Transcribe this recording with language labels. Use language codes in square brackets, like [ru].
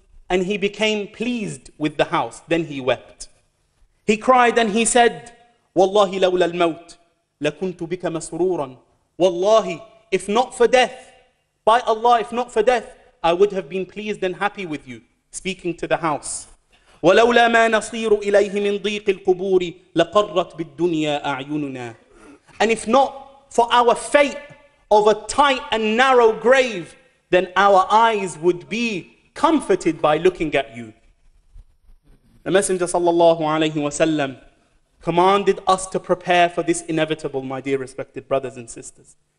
[en] And he became pleased with the house. Then he wept. He cried and he said, [ar] Wallahi lawla al-maut, lakuntu bika masrooran. [en] Wallahi, if not for death, by Allah, if not for death, I would have been pleased and happy with you. Speaking to the house. [ar] ولولا ما نصير إليه من ضيق القبور لقرت بالدنيا أعيننا. [en] And if not for our fate of a tight and narrow grave, then our eyes would be comforted by looking at you. The Messenger sallallahu alayhi wa sallam commanded us to prepare for this inevitable, my dear respected brothers and sisters.